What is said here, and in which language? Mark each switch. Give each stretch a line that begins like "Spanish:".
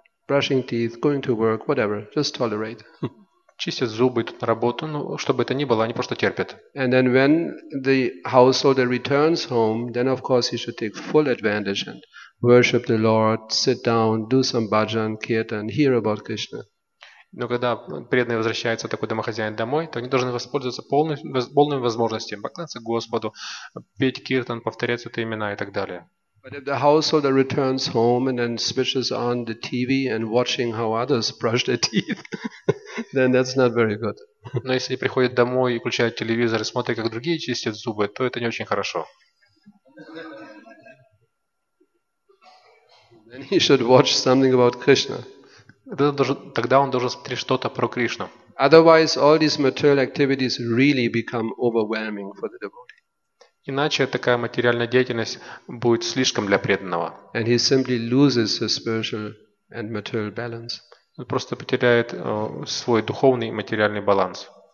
English: Brushing teeth, going to work, whatever, just tolerate.
Russian: Чистят зубы, идут на работу, ну, что бы это ни было, они просто терпят.
English: And then when the householder returns home, then of course he should take full advantage and worship the Lord, sit down, do some bhajan, kirtan, hear about Krishna.
Russian: Но когда преданный возвращается такой домохозяин домой, то они должны воспользоваться полными возможностями, поклоняться Господу, петь киртан, повторять святые имена и так далее.
English: But if the householder returns home and then switches on the TV and watching how others brush their teeth, then that's not very good.
Russian: Но если приходит домой и включает телевизор и смотрит, как другие чистят зубы, то это не очень хорошо.
English: Then he should watch something about Krishna.
Russian: Тогда он должен смотреть что-то про Кришну.
English: Otherwise, all these material activities really become overwhelming for the devotee.
Russian: Иначе такая материальная деятельность будет слишком для преданного.
English: And he simply loses his spiritual and material balance.
Russian: Он просто потеряет свой духовный и материальный баланс.